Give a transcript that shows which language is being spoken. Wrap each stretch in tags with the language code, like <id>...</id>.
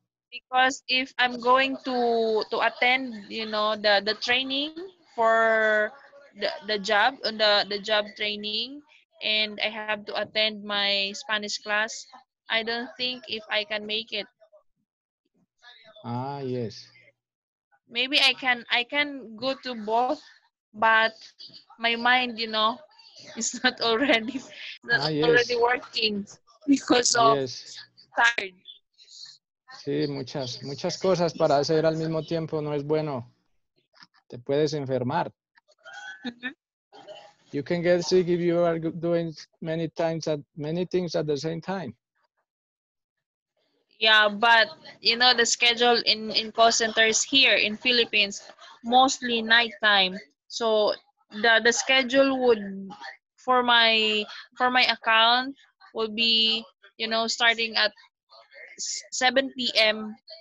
<en>Because if I'm going to attend, you know, the training for the job training, and I have to attend my Spanish class, I don't think if I can make it. Yes. Maybe I can go to both. But my mind, you know, is not already working because of tired.</en> <es>Sí, muchas cosas para hacer al mismo tiempo no es bueno. Te puedes enfermar. Mm-hmm.</es> <en>You can get sick if you are doing many things at the same time. Yeah, but you know the schedule in call centers here in Philippines mostly nighttime. So the schedule would for my account would be, you know, starting at 7 p.m.</en>